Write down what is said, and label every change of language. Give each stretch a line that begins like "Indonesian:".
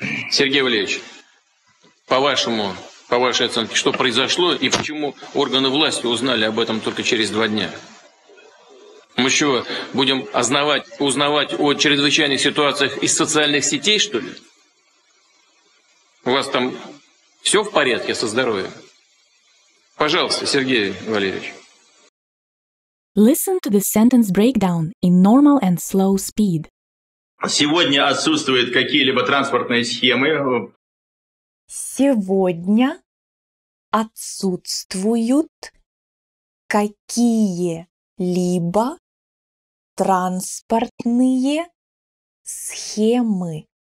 Russian: Сергей Валерьевич, по вашей оценке, что произошло и почему органы власти узнали об этом только через 2 дня? Мы что, будем узнавать о чрезвычайных ситуациях из социальных сетей, что ли? У вас там все в порядке со здоровьем? Пожалуйста, Сергей Валерьевич.
English: Listen to the sentence breakdown in normal and slow speed.
Russian: Сегодня отсутствуют какие-либо транспортные схемы. Сегодня отсутствуют какие-либо транспортные схемы.